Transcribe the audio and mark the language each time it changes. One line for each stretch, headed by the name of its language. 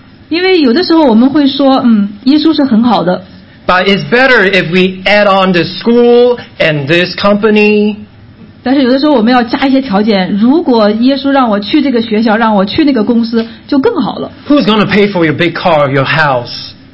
Chinese: 因为有的时候我们会说,耶稣是很好的。
English: But it's better if we add on this school and this company.
Chinese: 但是有的时候我们要加一些条件,如果耶稣让我去这个学校,让我去那个公司,就更好了。
English: Who's going to pay for your big car, your house?